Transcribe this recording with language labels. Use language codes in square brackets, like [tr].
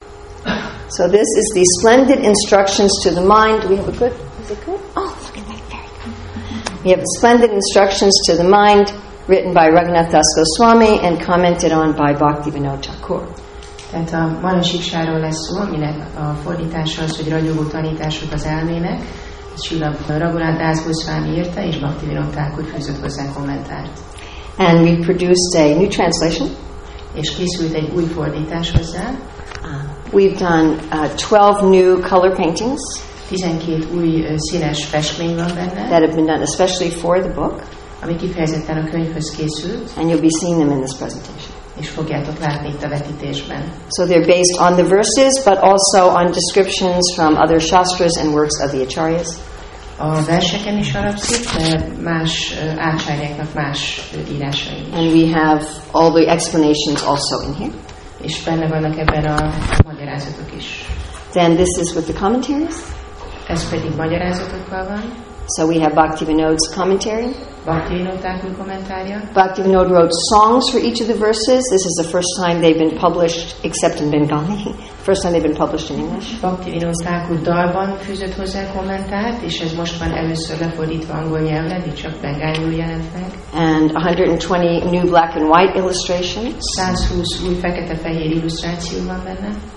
[en] So this is the splendid instructions to the mind. We have a good. Is it good? Oh, look at that. Very good. We have splendid instructions to the mind, written by Raghunath Das Goswami and commented on by Bhaktivinoda Thakur. [hu] Tehát a manasiksáról lesz szó, aminek a fordítása az, hogy ragyogó tanítások az elmének. Srila Raghunath Das Goswami írta, és Bhaktivinoda Thakur fűzött hozzá kommentárt. [en] And we produced a new translation. [hu] És készült egy új fordítás hozzá. [en] We've done 12 new color paintings. [hu] 12 új színes festmény van benne. [en] That have been done especially for the book. [hu] Ami kifejezetten a könyvhöz készült. [en] And you'll be seeing them in this presentation. [hu] És fogjátok látni itt a vetítésben. [en] So they're based on the verses, but also on descriptions from other shastras and works of the acharyas. [hu] A verseken is alapszik, de más ácsárjáknak más írásai is. [en] And we have all the explanations also in here. [hu] És benne vannak ebben a magyarázatok is. [en] Then this is with the commentaries. [hu] Ez pedig magyarázatokkal van. [en] So we have Bhaktivinoda's commentary. [hu] Bhaktivinoda Thakur kommentárja. [en] Bhaktivinoda wrote songs for each of the verses. This is the first time they've been published, except in Bengali. First time they've been published in English. [hu] Bhaktivinoda Thakur dalban fűzött hozzá kommentárt, és ez most van először lefordítva angol nyelvre, de csak bengáliul jelent meg. [en] And 120 new black and white illustrations. [hu] 120 új fekete-fehér illusztráció van benne.